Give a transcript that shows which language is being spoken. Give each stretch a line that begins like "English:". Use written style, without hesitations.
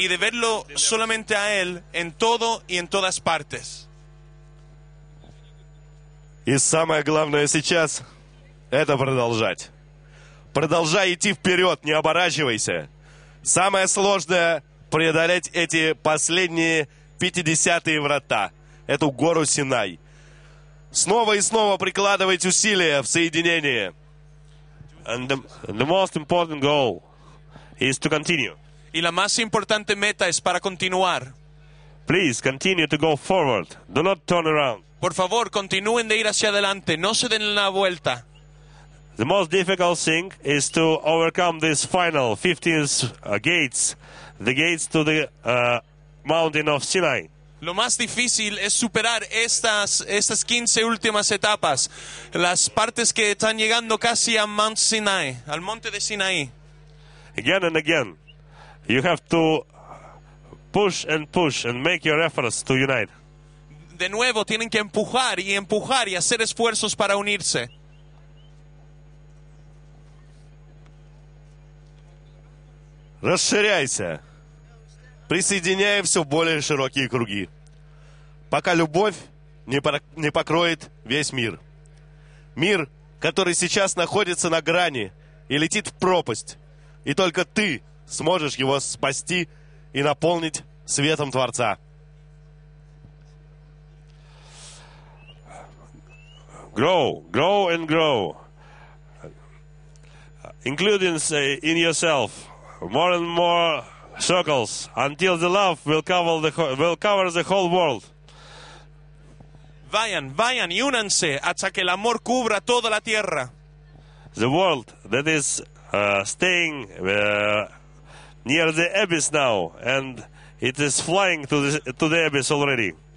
Spanish: y de verlo solamente a Él en todo y en todas partes.
Russian: Y самое главное сейчас — это продолжать. Продолжай идти вперед, не оборачивайся. Самое сложное — преодолеть эти последние 50-е врата, эту гору Синай. Снова и снова прикладывайте усилия в соединении.
English: And the most important goal is to continue.
Spanish: Y la más importante meta es para continuar.
English: Please continue to go forward. Do not turn around.
Spanish: Por favor, continúen de ir hacia adelante. No se den la vuelta.
English: The most difficult thing is to overcome this final 15th gates, the gates to the mountain of Sinai.
Spanish: Lo más difícil es superar estas 15 últimas etapas, las partes que están llegando casi a Mount Sinai, al monte de Sinai.
English: Again and again, you have to push and push and make your efforts to unite.
Spanish: De nuevo, tienen que empujar y empujar y hacer esfuerzos para unirse.
Russian: Расширяйся, присоединяя все более широкие круги, пока любовь не покроет весь мир. Мир, который сейчас находится на грани и летит в пропасть, и только ты сможешь его спасти и наполнить светом Творца.
English: Grow, grow and grow, including in yourself. More and more circles until the love will cover the whole world.
Spanish: Vayan, vayan y únanse hasta que el amor cubra toda la tierra.
English: The world that is staying near the abyss now, and it is flying to the abyss already.